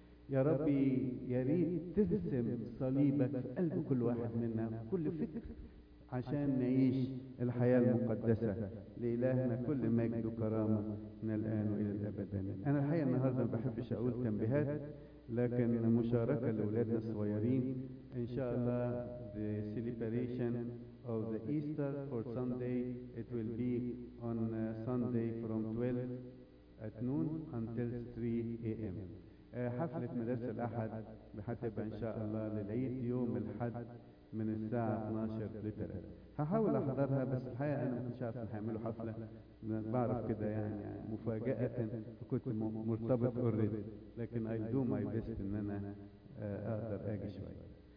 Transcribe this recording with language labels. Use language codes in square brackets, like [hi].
[ar] يا ربي يا ريت ترسم صليبك في قلب كل واحد منا، كل فكر، عشان نعيش الحياة المقدسة لإلهنا كل مجد وكرامة من الآن وإلى الأبد. أنا الحقيقة النهاردة ما بحبش أقول تنبيهات، لكن مشاركة لأولادنا الصغيرين إن شاء الله. [en] The celebration of the Easter for Sunday, it will be on Sunday from 12 at noon until 3 a.m. [ar] حفلة مدرسة الأحد بحتبها إن شاء الله للعيد يوم الأحد من الساعة 12 لتر. هحاول أحضرها، بس الحقيقة أنا مش عارف هنعمل حفلة، بعرف كده يعني مفاجأة، فكنت مرتبط أوريدي، لكن [en] I do my best [ar] إن أنا أقدر أجي شوية.